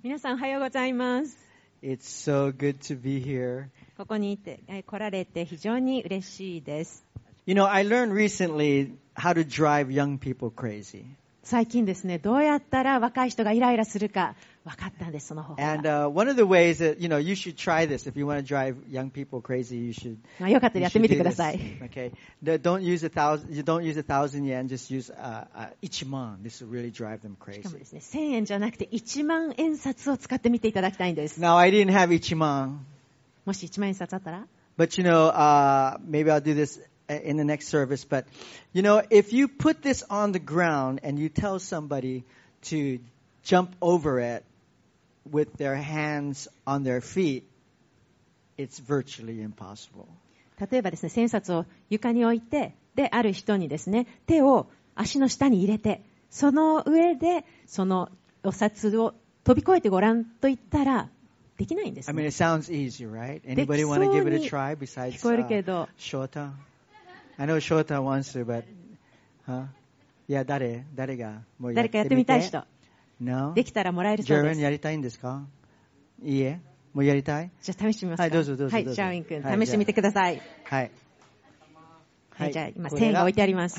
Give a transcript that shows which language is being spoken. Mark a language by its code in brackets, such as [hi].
[ja] 皆さん、おはようございます。 [en] It's so good to be here. [ja] ここに来られて非常に嬉しいです。 [en] You know, I learned recently how to drive young people crazy. [ja] 最近ですね、どうやったら若い人がイライラするか分かったんです、その方法。 [en] And, one of the ways that, you know, you should try this. If you want to drive young people crazy, you should. [ja] まあ、よかったらやってみてください。 [en] Okay. Don't use a thousand yen, just use, 1万. This will really drive them crazy. [ja] しかもですね、1000円じゃなくて1万円札を使ってみていただきたいんです。 [en] Now, I didn't have 1万。 [ja] もし1万円札あったら [en] ?But you know, maybe I'll do this. In the next service, but you know, if you put this on the ground and you tell somebody to jump over it with their hands on their feet, it's virtually impossible. [ja] 例えばですね、千札を床に置いて、で、ある人にですね、手を足の下に入れて、その上でそのお札を飛び越えてごらんと言ったら、できないんですね。 [en] I mean, it sounds easy, right? Anybody want to give it a try besides, Shota? I know Shota wants to, but, huh? [ja] Yeah, 誰がもうやってみたい人 [en] No? [ja] できたらもらえるそうです。 German やりたいんですか いえ。もうやりたい？じゃあ試してみますか。はい、どうぞ。はい、シャーウィン君、試してみてください。はい。はい、じゃあ今、線が置いてあります。